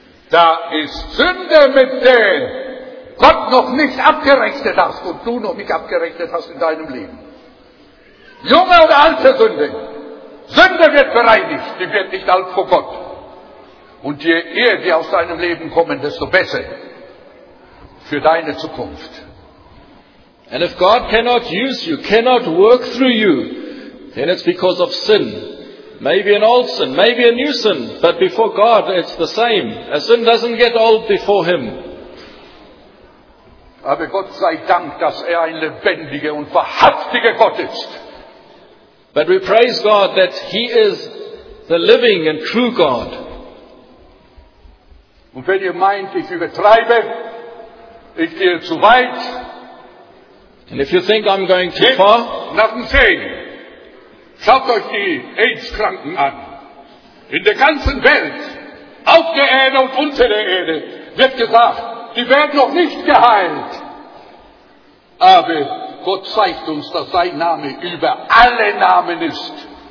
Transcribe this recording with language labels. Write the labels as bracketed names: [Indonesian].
[German] Da ist Sünde mit denen, Gott noch nicht abgerechnet hast und du noch nicht abgerechnet hast in deinem Leben. Junge oder alte Sünde. Sünde wird bereinigt, die wird nicht alt vor Gott. Und je eher die aus deinem Leben kommen, desto besser für deine Zukunft. [English] And if God cannot use you, cannot work through you, then it's because of sin. Maybe an old sin, maybe a new sin, but before God it's the same. A sin doesn't get old before him. [German] Aber Gott sei Dank, dass er ein lebendiger und wahrhaftiger Gott ist. [English] But we praise God that he is the living and true God. [German] Und wenn ihr meint, ich übertreibe, ich gehe zu weit. [English] And if you think I'm going too far. Nothing saying. [German] Schaut euch die AIDS-Kranken an. In der ganzen Welt, auf der Erde und unter der Erde, wird gesagt, die werden noch nicht geheilt. Aber Gott zeigt uns, dass sein Name über alle Namen ist.